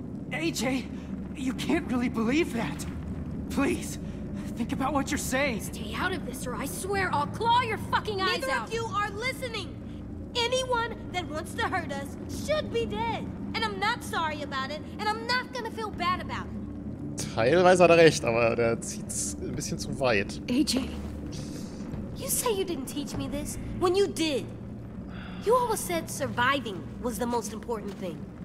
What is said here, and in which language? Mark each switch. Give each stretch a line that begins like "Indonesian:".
English: AJ, you can't really believe that. Please, think about what you're saying. Stay out of this or I swear I'll claw your fucking eyes out. Neither of you are listening. Anyone that wants to hurt us should be dead. And I'm not sorry about it. And I'm not gonna feel bad about it.
German: Teilweise hat er recht, aber der zieht's ein bisschen zu weit.
English: AJ, you say you didn't teach me this when you did. You always said surviving was the most important thing.